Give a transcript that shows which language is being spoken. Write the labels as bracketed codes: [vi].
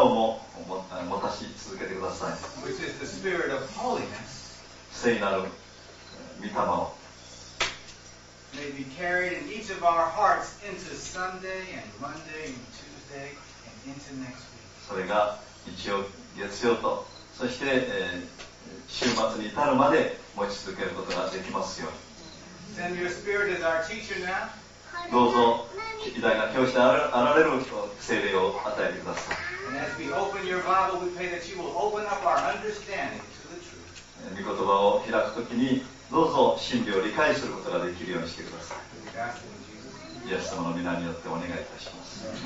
[ja] 安息日の礼をなおも持たし続けてください。 [en] Which is the spirit of holiness, [ja] 聖なる御霊を。 [en] May be carried in each of our hearts into Sunday and Monday and Tuesday and into next week. [ja] それが一応月曜と、そして週末に至るまで持ち続けることができますように。 [en] Send your spirit as our teacher now. [ja] どうぞ偉大な教師であられる聖霊を与えてください。 [en] And as we open your Bible, we pray that you will open up our understanding to the truth. [ja] 御言葉を開くときに、 どうぞ真理を理解することができるようにしてください。イエス様の御名によってお願いいたします。